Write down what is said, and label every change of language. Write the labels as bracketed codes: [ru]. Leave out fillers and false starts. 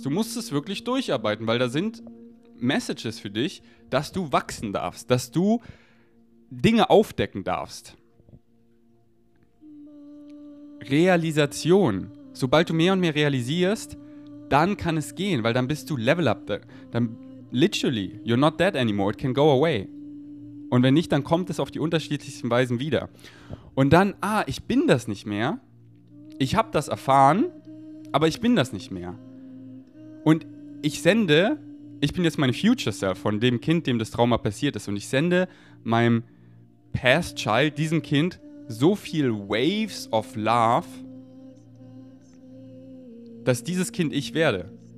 [de] Du musst es wirklich durcharbeiten, weil da sind Messages für dich, dass du wachsen darfst, dass du Dinge aufdecken darfst. Realisation. Sobald du mehr und mehr realisierst, dann kann es gehen, weil dann bist du level up. Dann [en] literally, you're not dead anymore, it can go away. [de] Und wenn nicht, dann kommt es auf die unterschiedlichsten Weisen wieder. Und dann, ich bin das nicht mehr. Ich habe das erfahren, aber ich bin das nicht mehr. Und ich bin jetzt mein Future Self von dem Kind, dem das Trauma passiert ist. Und ich sende meinem Past Child, diesem Kind, so viel Waves of Love, dass dieses Kind ich werde.